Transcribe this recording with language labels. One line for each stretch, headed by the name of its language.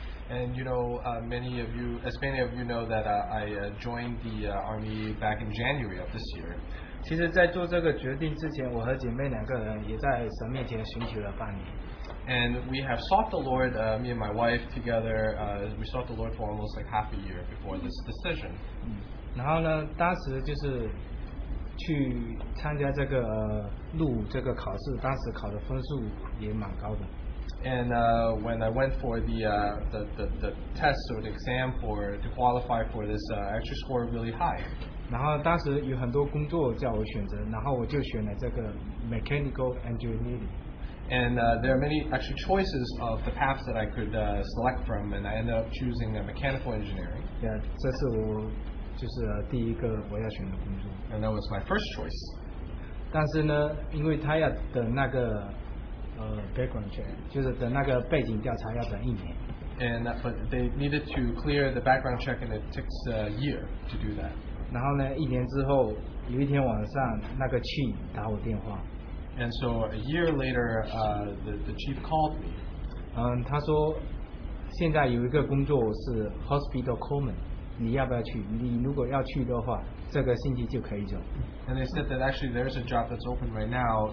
English: And you know, many of you know that I joined the army back in January of this year.
Chinese: 其实在做这个决定之前，我和姐妹两个人也在神面前寻求了半年。
English: And we have sought the Lord, me and my wife together, we sought the Lord for almost like half a year before this decision.
Chinese: 然后呢，当时就是去参加这个录这个考试，当时考的分数也蛮高的。
English: And when I went for the test or the exam for to qualify for this, I actually scored really high.
Chinese: 然后当时有很多工作叫我选择，然后我就选了这个 mechanical engineering.
English: And there are many actually choices of the paths that I could select from, and I ended up choosing a mechanical engineering.
Chinese: Yeah, 这是我就是第一个我要选的工作。
English: And that was my first choice.
Chinese: 但是呢，因为他要等那个。
English: Background check,
Chinese: 就是等那个背景调查要等一年。
English: And but they needed to clear the background check, and it takes a year to do that.
Chinese: 然后呢，一年之后，有一天晚上，那个 chief 打我电话。
English: And so a year later, the chief called me.
Chinese: 他说，现在有一个工作是 hospital corpsman, 你要不要去？你如果要去的话，这个星期就可以走。
English: And they said that actually there's a job that's open right now.